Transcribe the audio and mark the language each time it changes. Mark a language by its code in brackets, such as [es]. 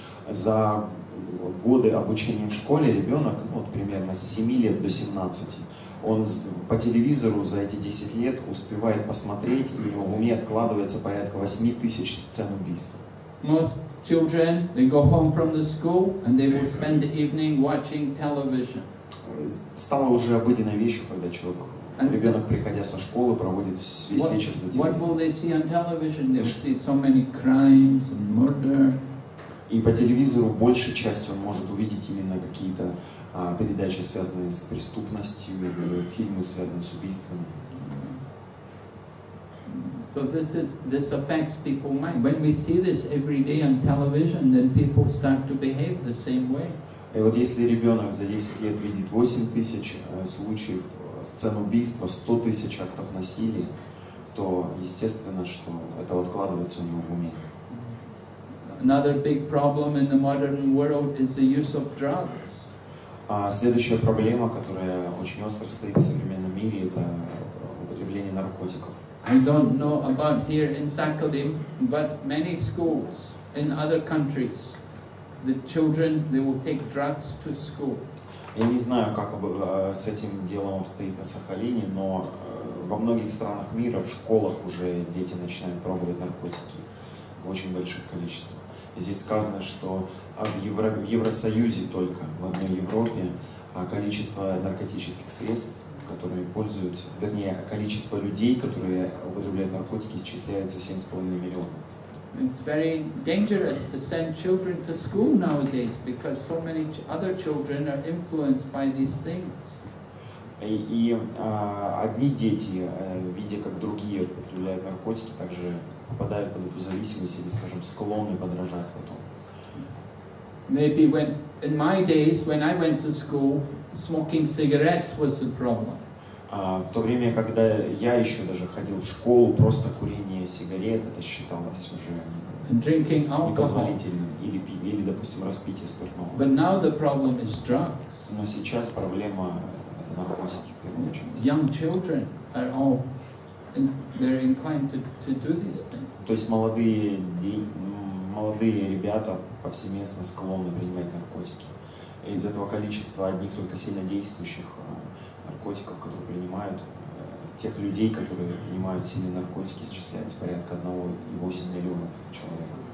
[ru] За годы обучения в школе ребенок, вот примерно с 7 лет до 17, он по телевизору за эти 10 лет успевает посмотреть, и в его уме откладывается порядка 8 000 сцен убийств. [en] Most children, they go home from the school, and they will spend the evening watching television. [ru] Стало уже обыденной вещью, когда человек, and ребенок, приходя со школы, проводит весь вечер за телевизором. [en] What will they see on television? They will see so many crimes and murder. [ru] И по телевизору большей частью он может увидеть именно какие-то передачи, связанные с преступностью, или фильмы, связанные с убийствами. [en] So this affects people's mind. When we see this every day on television, then people start to behave the same way. [ru] И вот если ребенок за 10 лет видит 8 000 случаев сцен убийства, 100 000 актов насилия, то естественно, что это откладывается у него в уме. [en] Another big problem in the modern world is the use of drugs. [ru] Следующая проблема, которая очень остро стоит в современном мире, это употребление наркотиков. [en] I don't know about here in Sakhalin, but many schools in other countries, the children, they will take drugs to school. [ru] Я не знаю, как с этим делом обстоит на Сахалине, но во многих странах мира в школах уже дети начинают пробовать наркотики в очень больших количествах. Здесь сказано, что в Евросоюзе только, в одной Европе, количество наркотических средств, которыми пользуются, вернее, количество людей, которые употребляют наркотики, исчисляется 7,5 миллионов. [en] It's very dangerous to send children to school nowadays because so many other children are influenced by these things. [ru] И одни дети, видя, как другие употребляют наркотики, также попадают под эту зависимость или, скажем, склонны подражать потом. [en] Maybe when in my days when I went to school, smoking cigarettes was the problem. [ru] В то время, когда я еще даже ходил в школу, просто курение сигарет, это считалось уже непозволительным, или, допустим, распитие спиртного. [en] But now the problem is drugs. [ru] Но сейчас проблема – это наркотики, в первую очередь. [en] Young children are all, they're inclined to do these things. [ru] То есть молодые ребята повсеместно склонны принимать наркотики. Из этого количества одних только сильно действующих наркотиков, которые принимают, тех людей, которые принимают сильные наркотики, исчисляется порядка 1,8 миллионов человек.